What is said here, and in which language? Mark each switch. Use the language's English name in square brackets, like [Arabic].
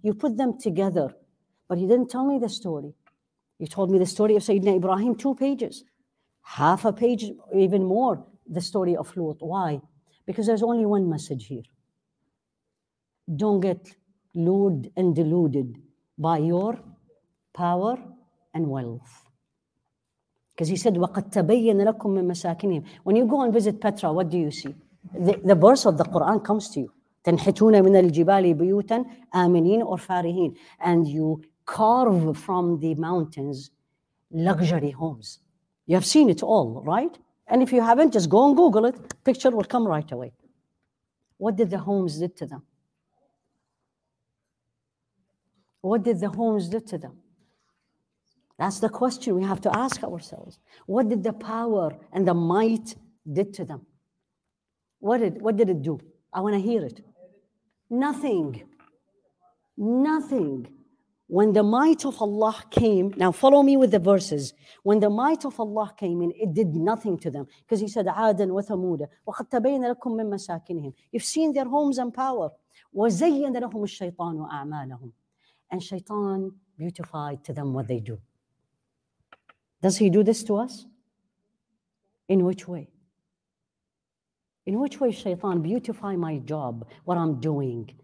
[English] You put them together, but you didn't tell me the story. You told me the story of Sayyidina Ibrahim, two pages. Half a page, even more, the story of Lut. Why? Because there's only one message here. Don't get lured and deluded by your power and wealth. Because he said, [Arabic] وَقَدْ تَبَيَّنَ لَكُمْ مِنْ مَسَاكِنِهِمْ. [English] When you go and visit Petra, what do you see? The verse of the Quran comes to you. [Arabic] تَنْحِتُونَ مِنَ الْجِبَالِ بُيُوتًا آمِنِينَ or فَارِهِينَ. [English] And you carve from the mountains luxury homes. You have seen it all, right? And if you haven't, just go and Google it. Picture will come right away. What did the homes did to them? What did the homes do to them? That's the question we have to ask ourselves. What did the power and the might did to them? What did it do? I want to hear it. Nothing. Nothing. When the might of Allah came, now follow me with the verses. When the might of Allah came in, it did nothing to them. Because he said, [Arabic] عَادًا وَثَمُودَ وَقَدْ تَبَيْنَ لَكُمْ مِنْ مَسَاكِنِهِمْ. [English] You've seen their homes and power. [Arabic] وَزَيَّنَ لَهُمُ الشَّيْطَانُ وَأَعْمَالَهُمْ. [English] And Shaitan beautified to them what they do. Does he do this to us? In which way? In which way Shaitan beautify my job, what I'm doing?